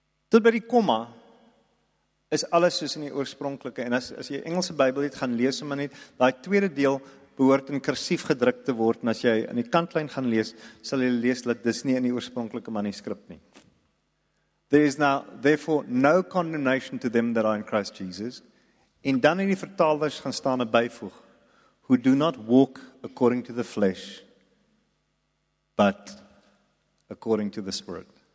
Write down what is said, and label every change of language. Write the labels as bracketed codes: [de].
[af] Tot by die komma is alles soos in die oorspronklike. En as jy Engelse Bybel het, gaan lees hom net. Daai tweede deel behoort in kursief gedruk te word. En as jy in die kantlyn gaan lees, sal jy lees dat dis nie in die oorspronklike manuskrip nie. [en] There is now therefore no condemnation to them that are in Christ Jesus. [af] En dan in die vertalers gaan staan 'n byvoeg. [en] Who do not walk according to the flesh, but according to the Spirit.